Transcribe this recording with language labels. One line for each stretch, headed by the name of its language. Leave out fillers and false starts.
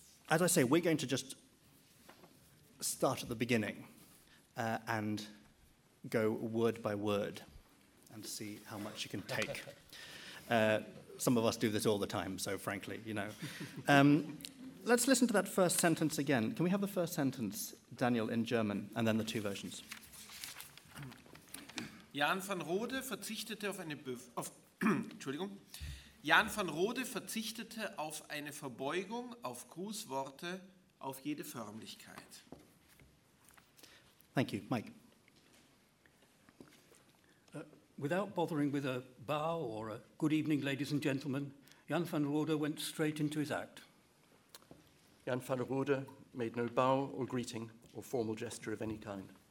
English: As I say, we're going to just start at the beginning and go word by word and see how much you can take. Some of us do this all the time, so frankly, you know. Let's listen to that first sentence again. Can we have the first sentence, Daniel, in German, and then the two versions?
German: Jan van Roode verzichtete auf eine Entschuldigung. Jan van Roode verzichtete auf eine Verbeugung, auf Grußworte, auf jede Förmlichkeit.
English: Thank you, Mike. Without bothering with a bow or a good evening, ladies and gentlemen, Jan van Roode went straight into his act. Jan van Roode made no bow or greeting or formal gesture of any kind.